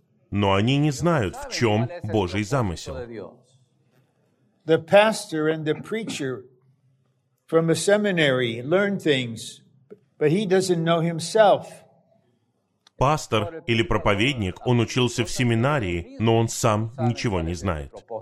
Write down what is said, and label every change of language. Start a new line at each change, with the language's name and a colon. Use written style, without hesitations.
Russian: Но они не знают, в чем Божий замысел.
English: The pastor and the preacher from a seminary learn things, but he doesn't know himself.
Russian: Пастор или проповедник, он учился в семинарии, но он сам ничего не знает.